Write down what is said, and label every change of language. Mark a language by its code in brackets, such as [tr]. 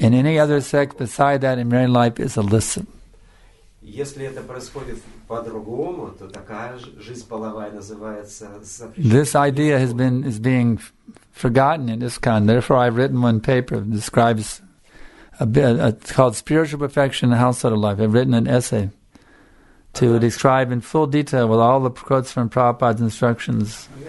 [en] And any other sex beside that in married life is illicit. [ru] Если это происходит по-другому, то такая жизнь половая называется запрещенной. [en] This idea is being forgotten in ISKCON. Therefore, I've written one paper that describes it's called Spiritual Perfection in the Household of Life. I've written an essay to describe in full detail with all the quotes from Prabhupada's instructions.